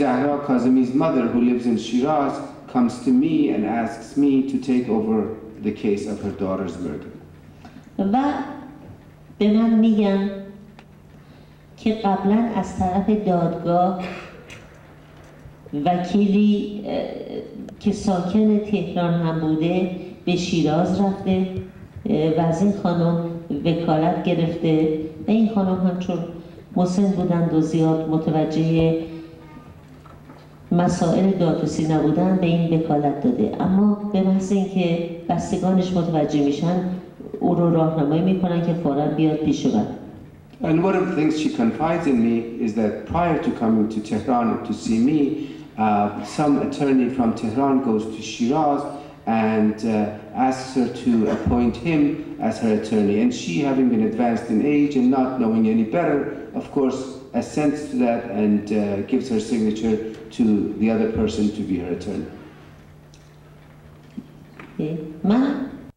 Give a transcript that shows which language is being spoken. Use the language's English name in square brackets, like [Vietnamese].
[English] Zahra Kazemi's mother, who lives in Shiraz, comes to me and asks me to take over the case of her daughter's murder. [Persian] و به من میگن که قبلا از طرف دادگاه وکیلی که ساکن تهران هم بوده به شیراز رفته و از این خانم وکالت گرفته و این خانم هم چون مسن بودند و زیاد متوجه مسائل دادرسی نبودند به این وکالت داده، اما به محض اینکه بستگانش متوجه میشن او رو راهنمایی میکنن که فورا بیاد پیش من. [English] And one of the things she confides in me is that prior to coming to Tehran to see me, some attorney from Tehran goes to Shiraz and asks her to appoint him as her attorney. And she, having been advanced in age and not knowing any better, of course, assents to that and gives her signature to the other person to be her attorney.